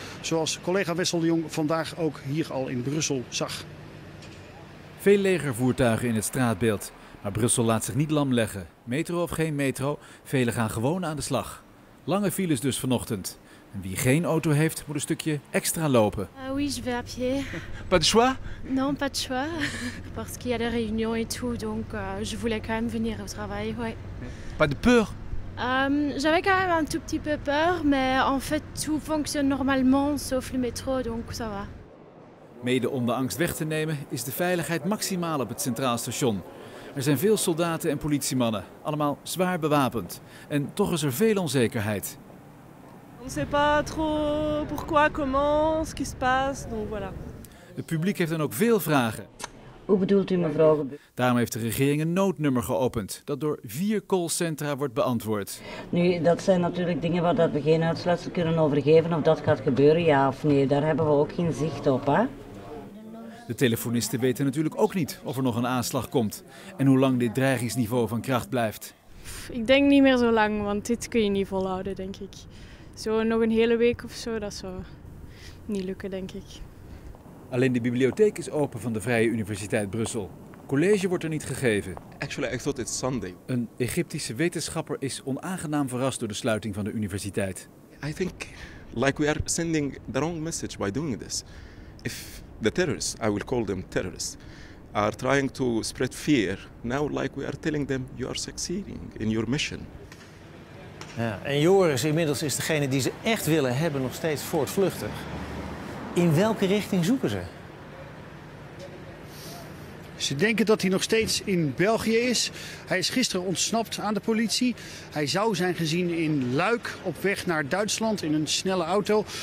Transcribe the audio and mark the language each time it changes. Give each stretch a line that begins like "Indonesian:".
Dutch: Zoals collega Wessel de Jong vandaag ook hier al in Brussel zag. Veel legervoertuigen in het straatbeeld. Maar Brussel laat zich niet lam leggen. Metro of geen metro, velen gaan gewoon aan de slag. Lange files dus vanochtend. En wie geen auto heeft, moet een stukje extra lopen.
French: Oui, je vais à pied. Pas de choix? Non, pas de choix. Parce qu'il y a des réunions et tout, donc je voulais quand même venir au travail, ouais. Pas de peur? J'avais quand même un tout petit peu peur, mais en fait tout fonctionne normalement, sauf le métro, donc ça va.
Dutch: Mede om de angst weg te nemen, is de veiligheid maximaal op het Centraal Station. Er zijn veel soldaten en politiemannen, allemaal zwaar bewapend. En toch is er veel onzekerheid.
French: On ne sait pas trop pourquoi, comment, ce qui se passe, donc voilà.
Dutch: Het publiek heeft dan ook veel vragen. Hoe bedoelt u, mevrouw? Daarom heeft de regering een noodnummer geopend, dat door 4 callcentra wordt beantwoord. Nu, dat zijn natuurlijk dingen waar we geen uitsluitsel kunnen over geven of dat gaat gebeuren, ja of nee. Daar hebben we ook geen zicht op, hè? De telefonisten weten natuurlijk ook niet of er nog een aanslag komt en hoe lang dit dreigingsniveau van kracht blijft. Ik denk niet meer zo lang, want dit kun je niet volhouden, denk ik. Zo nog een hele week of zo, dat zou niet lukken, denk ik. Alleen de bibliotheek is open van de Vrije Universiteit Brussel. College wordt er niet gegeven.
English: Actually, I thought it's Sunday.
Dutch: Een Egyptische wetenschapper is onaangenaam verrast door de sluiting van de universiteit.
English: I think like we are sending the wrong message by doing this. If the terrorists, I will call them terrorists, are trying to spread fear, now like we are telling them you are succeeding in your mission.
Dutch: Ja, en Joris, inmiddels is degene die ze echt willen hebben nog steeds voortvluchtig. In welke richting zoeken ze? Ze denken dat hij nog steeds in België is. Hij is gisteren ontsnapt aan de politie. Hij zou zijn gezien in Luik op weg naar Duitsland in een snelle auto.